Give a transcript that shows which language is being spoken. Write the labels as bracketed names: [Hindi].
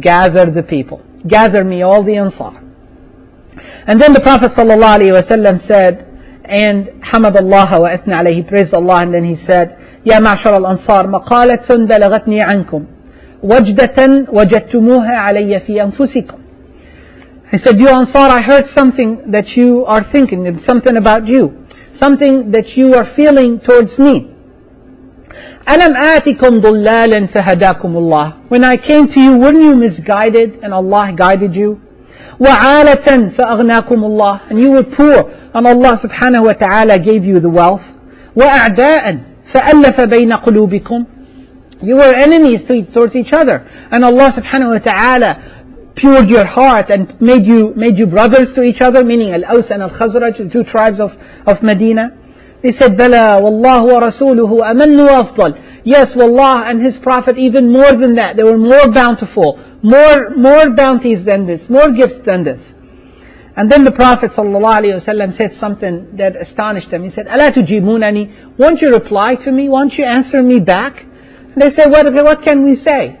[English] Gather the people. Gather me all the Ansar. And then the Prophet sallallahu alaihi wasallam said, and [Arabic] حمد الله وأثنى عليه, [English] praised Allah, and then he said, [Arabic] يا معشر الأنصار مقالة بلغتني عنكم وجدة وجدتموها علي في أنفسكم. [English] He said, you Ansar, I heard something that you are thinking, something about you, something that you are feeling towards me. [Arabic] ألم آتكم ضلالا فهداكم الله. [English] When I came to you, weren't you misguided and Allah guided you? [Arabic] وعالة فأغناكم الله. [English] And you were poor and Allah subhanahu wa ta'ala gave you the wealth. [Arabic] وأعداء فألف بين قلوبكم. [English] You were enemies towards each other and Allah subhanahu wa ta'ala pured your heart and made you brothers to each other, meaning Al-Aws and Al-Khazraj, the two tribes of Medina. They said, [Arabic] بلى والله ورسوله أمن وأفضل. [English] Yes, والله and his prophet even more than that. They were more bountiful. More bounties than this, more gifts than this. And then the Prophet sallallahu alaihi wasallam said something that astonished them. He said, [Arabic] "Ala tujibunani? [English] Won't you reply to me? Won't you answer me back?" And they said, "What can we say?